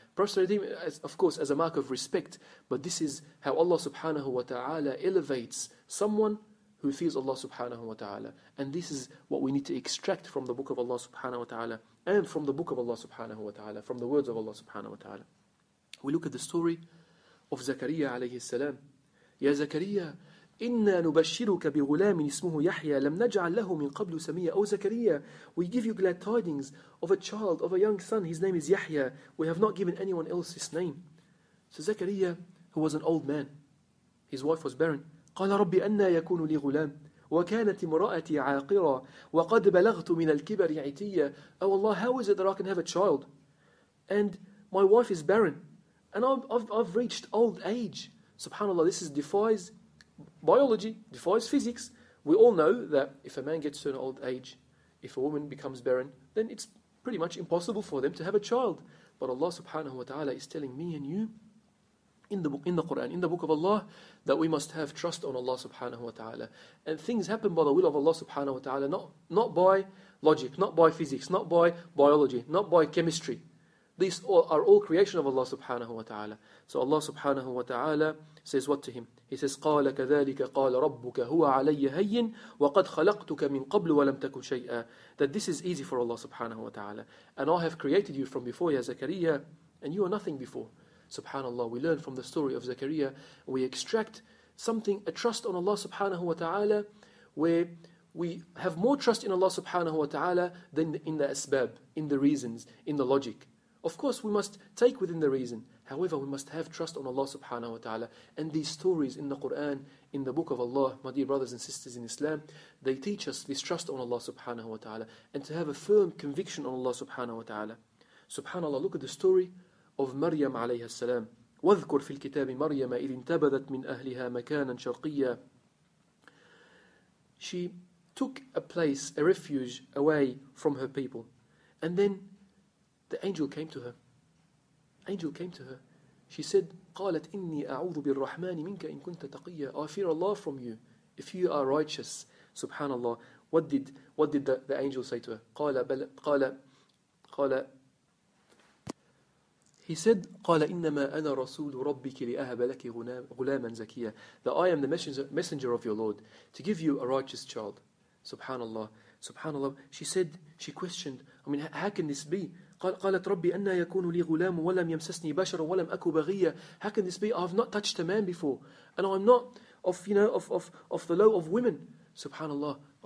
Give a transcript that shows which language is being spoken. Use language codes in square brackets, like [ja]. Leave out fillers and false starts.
[en] Prostrated him, of course, as a mark of respect. But this is how Allah subhanahu wa ta'ala elevates someone who fears Allah subhanahu wa ta'ala. And this is what we need to extract from the book of Allah subhanahu wa ta'ala and from the book of Allah subhanahu wa ta'ala, from the words of Allah subhanahu wa ta'ala. We look at the story of Zakariya alayhi salam. [ar] Ya Zakariya, إنا نبشرك بغلام اسمه يحيى لم نجعل له من قبل سميا. [en] Oh Zakariya, we give you glad tidings of a child, of a young son. His name is Yahya. We have not given anyone else this name. So Zakariya, who was an old man, his wife was barren. [ar] قال ربي أنا يكون لي غلام وكانت امرأتي عاقرة وقد بلغت من الكبر عتية. [en] Oh Allah, how is it that I can have a child and my wife is barren and I've reached old age? Subhanallah, this is defies biology, defies physics. We all know that if a man gets to an old age, if a woman becomes barren, then it's pretty much impossible for them to have a child. But Allah subhanahu wa ta'ala is telling me and you in the Quran, in the book of Allah, that we must have trust on Allah subhanahu wa ta'ala. And things happen by the will of Allah subhanahu wa ta'ala, not by logic, not by physics, not by biology, not by chemistry. These are all creation of Allah subhanahu wa ta'ala. So Allah subhanahu wa ta'ala says what to him? He says, [ar] قَالَ كَذَلِكَ قَالَ رَبُّكَ هُوَ عَلَيَّ هَيِّنْ وَقَدْ خَلَقْتُكَ مِنْ قَبْلُ وَلَمْ تَكُنْ شَيْئًا. [en] That this is easy for Allah subhanahu wa ta'ala. And I have created you from before, ya Zakariya, and you are nothing before. Subhanallah, we learn from the story of Zakariya, we extract something, a trust on Allah subhanahu wa ta'ala, where we have more trust in Allah subhanahu wa ta'ala than in the asbab, in the reasons, in the logic. Of course, we must take within the reason. However, we must have trust on Allah subhanahu wa ta'ala. And these stories in the Qur'an, in the book of Allah, my dear brothers and sisters in Islam, they teach us this trust on Allah subhanahu wa ta'ala and to have a firm conviction on Allah subhanahu wa ta'ala. Subhanallah, look at the story of Maryam alayha salam. [ar] وَذْكُرْ فِي الْكِتَابِ مَرْيَمَ إِذْ انْتَبَذَتْ مِنْ أَهْلِهَا مَكَانًا شَرْقِيًّا. [en] She took a place, a refuge away from her people. And then the angel came to her. Angel came to her. She said, [ar] قَالَتْ إِنِّي أَعُوذُ بِالرَّحْمَنِ مِنْكَ إِن كُنْتَ تَقِيَّ. [en] I fear Allah from you, if you are righteous. Subhanallah. What did the angel say to her? [ar] قَالَ [en] He said, [ar] قَالَ إِنَّمَا أَنَا رَسُولُ رَبِّكِ لِأَهَبَ لَكِ غُلَامًا زَكِيًّا. [en] That I am the messenger of your Lord to give you a righteous child. Subhanallah. Subhanallah. She questioned, I mean, how can this be? [ar] قالت ربي أن يكون لي غلام ولم يمسسني بشر ولم أكو بغية. [en] How can this be? I have not touched a man before, and I'm not of the low of women. Subhanallah.